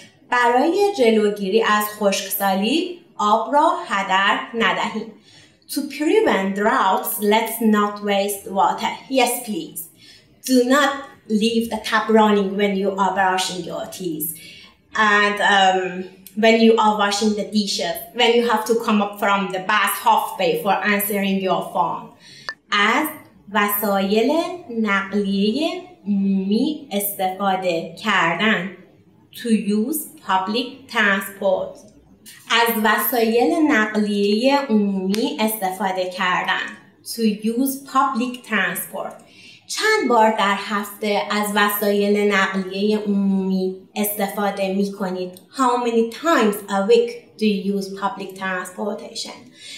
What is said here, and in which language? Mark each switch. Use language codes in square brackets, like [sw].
[fa] برای جلوگیری از خشکسالی آب را هدر ندهیم. [en] To prevent droughts, let's not waste water. Yes, please. Do not leave the tap running when you are brushing your teeth. And when you are washing the dishes, when you have to come up from the bath halfway for answering your phone. [fa] از وسایل نقلیه عمومی استفاده کردن. [en] To use public transport. [fa] از وسایل نقلیه عمومی استفاده کردن. [en] To use public transport. [fa] چند بار در هفته از وسایل نقلیه عمومی استفاده می کنید؟ [en] How many times a week do you use public transportation?